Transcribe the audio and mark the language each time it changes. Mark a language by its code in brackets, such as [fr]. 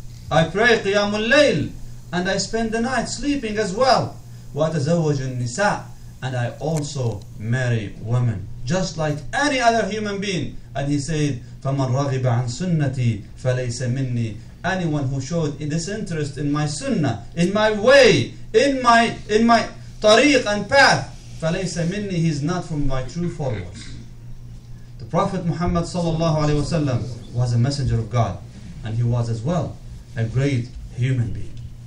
[en] I pray [ar] قيام الليل [en] and I spend the night sleeping as well. [ar] وأتزوج النساء [en] and I also marry women. Just like any other human being. And he said, [ar] فَمَنْ رَغِبَ عَنْ سُنَّتِي فَلَيْسَ مِنِّي. [en] Anyone who showed this interest in my sunnah, in my way, in my tariq and path, [ar] فَلَيْسَ مِنِّي, [en] he's not from my true followers. The Prophet Muhammad sallallahu alayhi wa sallam was a messenger of God, and he was as well a great human being.